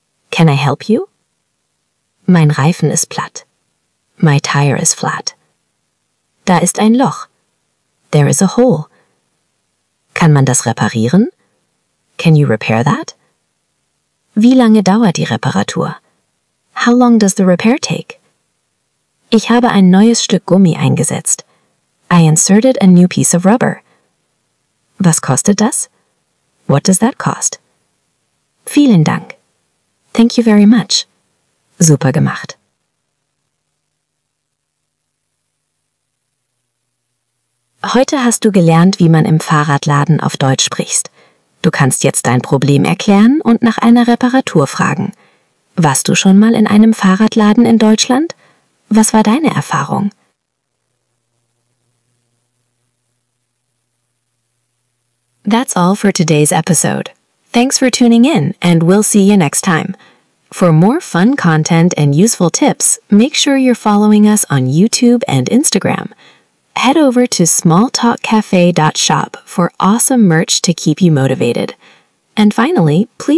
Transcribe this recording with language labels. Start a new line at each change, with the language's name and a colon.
English: Can I help you?
German: Mein Reifen ist platt.
English: My tire is flat.
German: Da ist ein Loch.
English: There is a hole.
German: Kann man das reparieren?
English: Can you repair that?
German: Wie lange dauert die Reparatur?
English: How long does the repair take?
German: Ich habe ein neues Stück Gummi eingesetzt.
English: I inserted a new piece of rubber.
German: Was kostet das?
English: What does that cost?
German: Vielen Dank.
English: Thank you very much.
German: Super gemacht. Heute hast du gelernt, wie man im Fahrradladen auf Deutsch sprichst. Du kannst jetzt dein Problem erklären und nach einer Reparatur fragen. Warst du schon mal in einem Fahrradladen in Deutschland? Was war deine Erfahrung?
English: That's all for today's episode. Thanks for tuning in and we'll see you next time. For more fun content and useful tips, make sure you're following us on YouTube and Instagram. Head over to smalltalkcafe.shop for awesome merch to keep you motivated. And finally, please subscribe and leave a review on your favorite podcast platform.